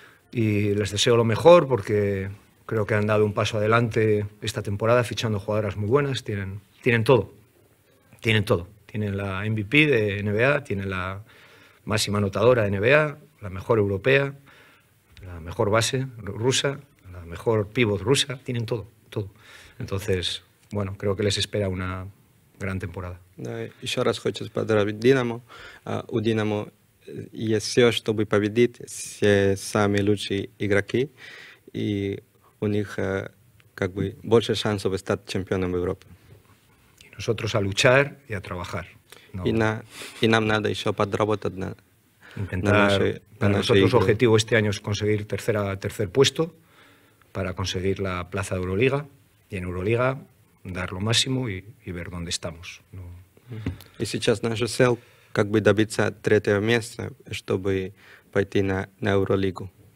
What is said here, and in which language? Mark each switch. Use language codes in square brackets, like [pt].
[es] Y les deseo lo mejor porque creo que han dado un paso adelante esta temporada fichando jugadoras muy buenas, tienen todo, tienen todo. Tienen la MVP de NBA, tienen la máxima anotadora de NBA, la mejor europea, la mejor base rusa, la mejor pivot rusa, tienen todo, todo. Entonces, bueno, creo que les espera una gran temporada. [ru] Еще раз хочу поздравить Динамо. У Динамо есть все, чтобы победить, все самые лучшие игроки, и у них как бы больше шансов стать чемпионом в Европе. [es] Nosotros a luchar y a trabajar. [ru] Но... И нам надо еще подработать на... [es] Intentar, para nosotros nuestro objetivo este año es conseguir tercer puesto para conseguir la plaza de Euroliga y en Euroliga dar lo máximo y ver dónde estamos. Ну. [ru] И сейчас наша цель как бы добиться третьего места, чтобы пойти на Евролигу.